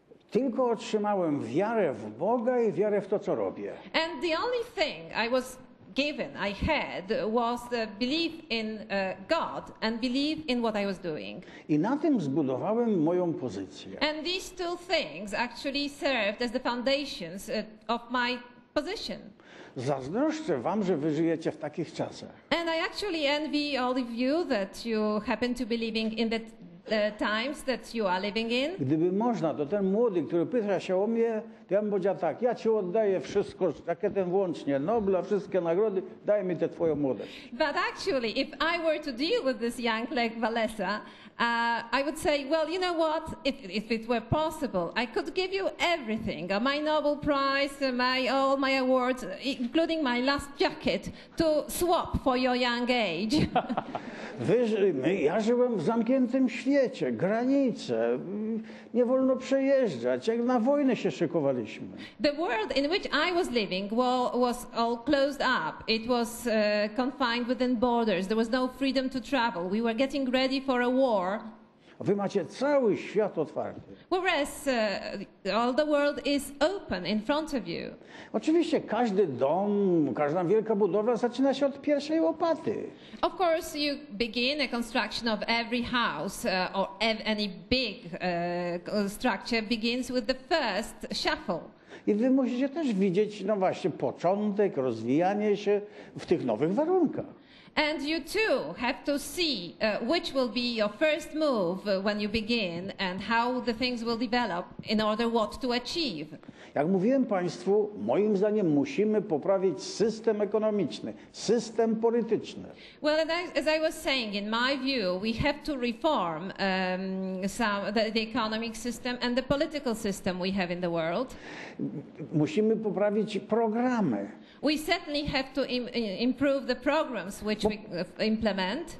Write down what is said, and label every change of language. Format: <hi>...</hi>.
<pl>Tylko otrzymałem wiarę w Boga i wiarę w to, co robię.</pl> <en>And the only thing I was given, I had, was the belief in God and belief in what I was doing.</en> <pl>I na tym zbudowałem moją pozycję.</pl> <en>And these two things actually served as the foundations of my position.</en> <pl>Zazdroszczę wam, że wy żyjecie w takich czasach.</pl> <en>And I actually envy all of you that you happen to be living in that times that you are living in.</en> <pl>Gdyby można, to ten młody, który pyta się o mnie, to ja bym powiedział tak, ja ci oddaję wszystko, rakietę włącznie, Nobla, wszystkie nagrody, daj mi tę twoją młodość.</pl> <en>But actually, if I were to deal with this young Lech Walesa, I would say, well, you know what, if it were possible, I could give you everything, my Nobel Prize, all my awards, including my last jacket, to swap for your young age.</en> <pl>Ja żyłem w zamkniętym świecie, granice, nie wolno przejeżdżać, jak na wojnę się szykowaliśmy.</pl> <en>The world in which I was living was all closed up, it was confined within borders, there was no freedom to travel, we were getting ready for a war.</en> <pl>Wy macie cały świat otwarty.</pl> <en>Whereas all the world is open in front of you.</en> <pl>Oczywiście każdy dom, każda wielka budowla zaczyna się od pierwszej łopaty.</pl> <en>Of course you begin a construction of every house or any big structure begins with the first shuffle.</en> <pl>I wy musicie też widzieć no właśnie początek, rozwijanie się w tych nowych warunkach.</pl> <en>And you too have to see which will be your first move when you begin and how the things will develop in order what to achieve.</en> <pl>Jak mówiłem państwu, moim zdaniem musimy poprawić system ekonomiczny, system polityczny.</pl> <en>Well, as I was saying, in my view, we have to reform the economic system and the political system we have in the world.</en> <pl>Musimy poprawić programy.</pl> <en>We certainly have to improve the programs which we implement.</en>